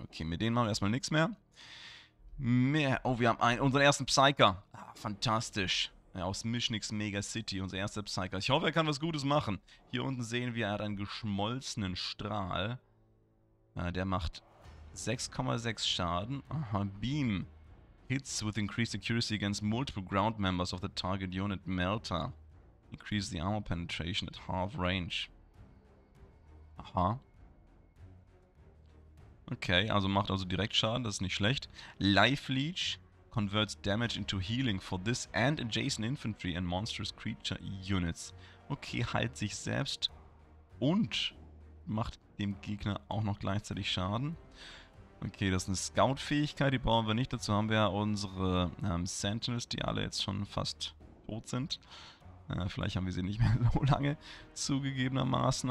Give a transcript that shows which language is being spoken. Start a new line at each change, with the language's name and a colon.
German: Okay, mit denen machen wir erstmal nichts mehr. Oh, wir haben unseren ersten Psyker. Ah, fantastisch. Aus Mischnix Mega City, unser erster Psyker. Ich hoffe, er kann was Gutes machen. Hier unten sehen wir, er hat einen geschmolzenen Strahl. Der macht 6,6 Schaden. Aha, Beam.
English: Hits with increased accuracy against multiple ground members of the target unit Melta. Increase the armor penetration at half range. Aha.
German: Okay, also macht also direkt Schaden, das ist nicht schlecht.
English: Life Leech. Converts damage into healing for this and adjacent infantry and monstrous creature units.
German: Okay, heilt sich selbst und macht dem Gegner auch noch gleichzeitig Schaden. Okay, das ist eine Scout-Fähigkeit, die brauchen wir nicht. Dazu haben wir ja unsere Sentinels, die alle jetzt schon fast tot sind. Vielleicht haben wir sie nicht mehr so lange zugegebenermaßen.